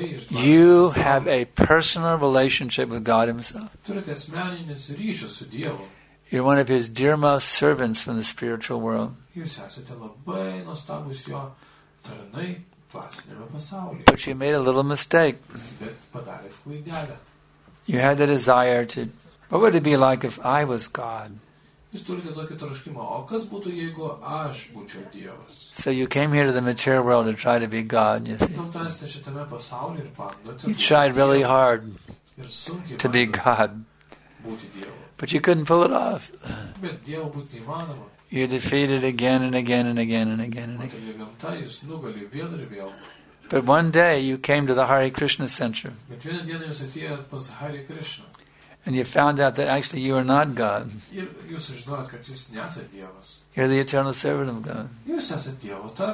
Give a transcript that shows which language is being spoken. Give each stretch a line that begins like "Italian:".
English: You have a personal relationship with God Himself. You're one of His dearmost servants from the spiritual world.
Lithuanian: Jūs esate labai nuostabus jo tarnai dvasiniame pasaulyje.
English: But you made a little mistake.
Lithuanian: Bet padarėt klaidelę.
English: You had the desire to... What would it be like if I was God?
Lithuanian: Jūs turite tokį troškimą. O kas būtų, jeigu aš būčiau Dievas?
English: So you came here to the material world to try to be God, you see.
Lithuanian: Tam tarėste šitame pasaulyje ir bandote...
English: You tried really hard
Lithuanian: ir sunkiai
English: to be God.
Lithuanian: Būti Dievu.
English: But you couldn't pull it off.
Lithuanian: Bet Dievu būti neįmanoma.
English: You're defeated again and again and again and again and again. But one day you came to the Hare Krishna Center. And you found out that actually you are not God. You're the eternal servant of God.